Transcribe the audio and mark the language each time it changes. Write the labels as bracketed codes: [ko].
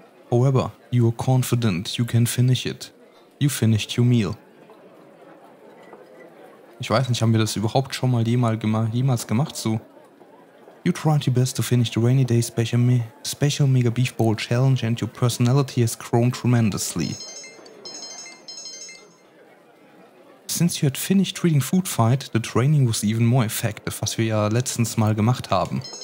[en] However, you are confident you can finish it. You finished your meal. [de] Ich weiß nicht, haben wir das überhaupt schon mal jemals gemacht so? [en] You tried your best to finish the Rainy Day Special Mega Beef Bowl Challenge and your personality has grown tremendously. Since you had finished reading Food Fight, the training was even more effective, [de] was wir ja letztens mal gemacht haben.